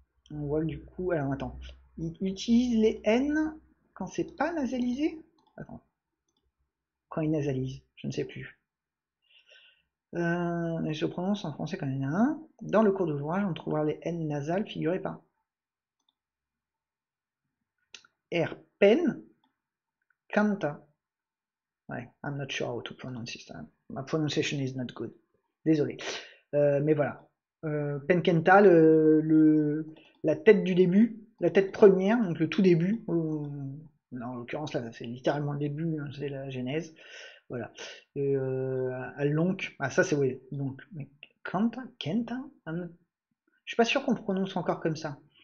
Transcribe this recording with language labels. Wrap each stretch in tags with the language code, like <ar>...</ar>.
<fr>On voit du coup. Alors attends. Il utilise les N quand c'est pas nasalisé. Attends. Quand il nasalise. Je ne sais plus. Elle se prononce en français comme un. Dans le cours d'ouvrage, on trouvera les N nasales figurées par Erpen Kanta.</fr> <en>Ouais, I'm not sure how to pronounce this time. My pronunciation is not good.</en> <fr>Désolé. Mais voilà. Penkenta, la tête du début, la tête première, donc le tout début. En l'occurrence, là, c'est littéralement le début, hein, c'est la genèse. Voilà. Et ah, ça c'est oui. Donc, mais Kanta, Kenta, je suis pas sûr qu'on prononce encore comme ça.</fr>